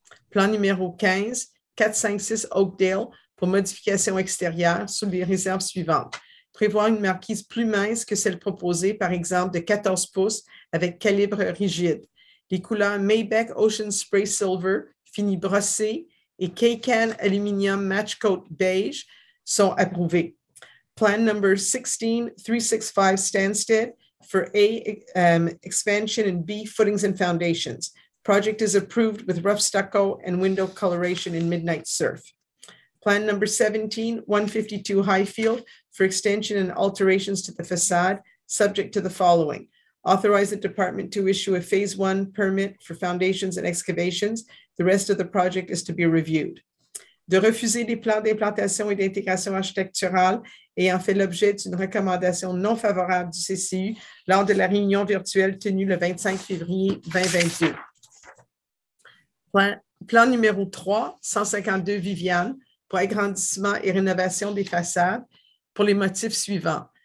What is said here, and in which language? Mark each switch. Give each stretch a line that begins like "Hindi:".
French: Plan numéro 15456 Oakdale pour modification extérieure sous les réserves suivantes. Prévoir une marquise plus mince que celle proposée, par exemple de 14 pouces avec calibre rigide. Les couleurs Maybach Ocean Spray Silver, fini brossé, et K-Can Aluminium Match Coat Beige sont approuvés.
English: Plan number 16365 Stansted for A, expansion and B, footings and foundations. Project is approved with rough stucco and window coloration in Midnight Surf. Plan number 17152 Highfield for extension and alterations to the facade, subject to the following. Authorize the department to issue a phase one permit for foundations and excavations. The rest of the project is to be reviewed.
French: De refuser les plans d'implantation et d'intégration architecturale ayant fait l'objet d'une recommandation non favorable du CCU lors de la réunion virtuelle tenue le 25 février 2022. Plan numéro 3152 Viviane pour agrandissement et rénovation des façades pour les motifs suivants.